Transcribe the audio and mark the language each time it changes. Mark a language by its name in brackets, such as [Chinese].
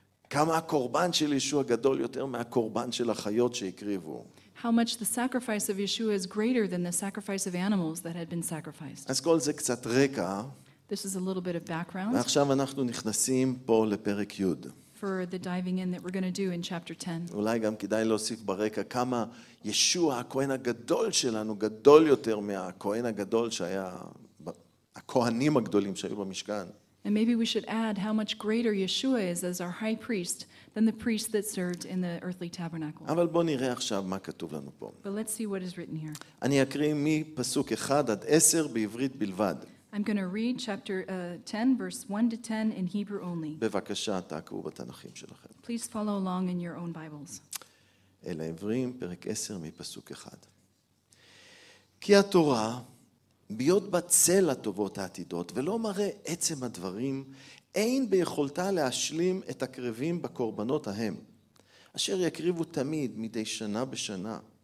[Hebrew] כמה הקורבן של ישוע גדול יותר מהקורבן של החיות שהקריבו. [English] How much the sacrifice of Yeshua is greater than the sacrifice of animals that had been sacrificed. [Hebrew] אז כל זה קצת רקע. [English] This is a little bit of background. [Hebrew] ועכשיו אנחנו נכנסים פה לפרק י. [English] For the diving in that we're going to do in chapter 10. [Hebrew] אולי גם כדאי להוסיף ברקע כמה ישוע הכהן הגדול שלנו גדול יותר מהכהן הגדול שהיה הכהנים הגדולים שהיו במשכן. [English] And maybe we should add how much greater Yeshua is as our high priest than the priest that served in the earthly tabernacle. [Hebrew] אבל בוא נראה עכשיו מה כתוב לנו פה. [English] But let's see what is written here. [Hebrew] אני אקריא מפסוק 1 עד 10 בעברית בלבד. [English] I'm going to read chapter 10 verse 1 to 10 in Hebrew only. [Hebrew] בבקשה תקראו בתנכים שלכם. [English] Please follow along in your own Bibles. [Hebrew] אל העברים פרק 10 מפסוק 1. כי התורה ביות בצל הטובות העתידות ולא מראה עצם הדברים, אין ביכולתה להשלים את הקרבים בקורבנות ההם, אשר יקריבו תמיד מדי שנה בשנה.